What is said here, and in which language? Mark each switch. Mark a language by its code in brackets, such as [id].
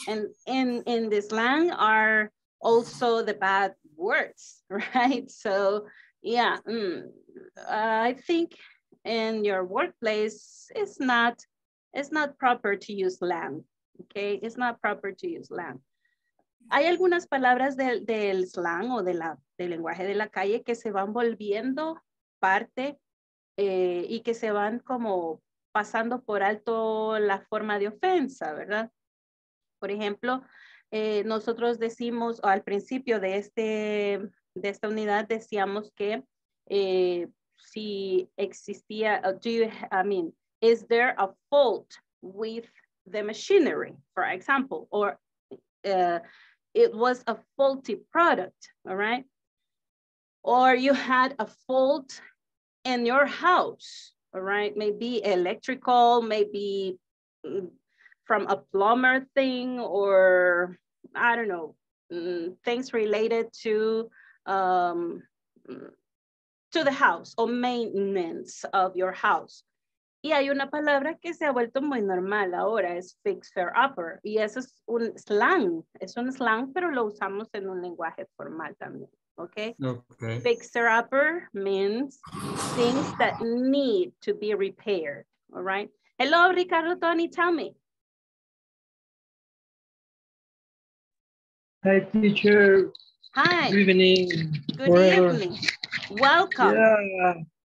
[en] And in the slang are also the bad words, right? So, yeah, I think in your workplace, it's not proper to use slang, okay? It's not proper to use slang. [es] Hay algunas palabras del slang o del lenguaje de la calle que se van volviendo parte y que se van como pasando por alto la forma de ofensa, ¿verdad? Por ejemplo, nosotros decimos, o al principio de, de esta unidad decíamos que si existía, [en] is there a fault with the machinery, for example, or... it was a faulty product, all right? Or you had a fault in your house, all right? Maybe electrical, maybe from a plumber thing, or I don't know, things related to the house or maintenance of your house. [es] Y hay una palabra que se ha vuelto muy normal ahora, es fixer-upper. Y eso es un slang. Es un slang, pero lo usamos en un lenguaje formal también. [en] Okay? Okay. Fixer-upper means things that need to be repaired. All right? Hello, Ricardo, Tony, tell me. Hi, teacher. Hi. Good evening. Good evening. Welcome.